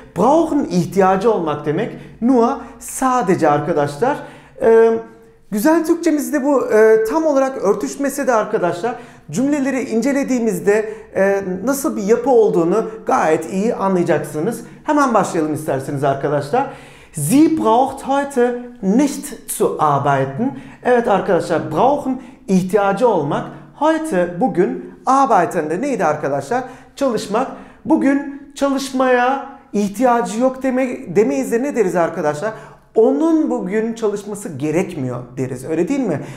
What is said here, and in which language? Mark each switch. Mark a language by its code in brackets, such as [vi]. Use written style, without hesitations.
[tr] Brauchen ihtiyacı olmak demek. Nur sadece arkadaşlar. Güzel Türkçemizde bu tam olarak örtüşmese de arkadaşlar, cümleleri incelediğimizde nasıl bir yapı olduğunu gayet iyi anlayacaksınız. Hemen başlayalım isterseniz arkadaşlar. [de] Sie braucht heute nicht zu arbeiten. [tr] Evet arkadaşlar, brauchen ihtiyacı olmak. Heute, bugün, arbeiten de neydi arkadaşlar? Çalışmak. Bugün çalışmaya ihtiyacı yok demeyiz de ne deriz arkadaşlar? Onun bugün çalışması gerekmiyor deriz, öyle değil mi?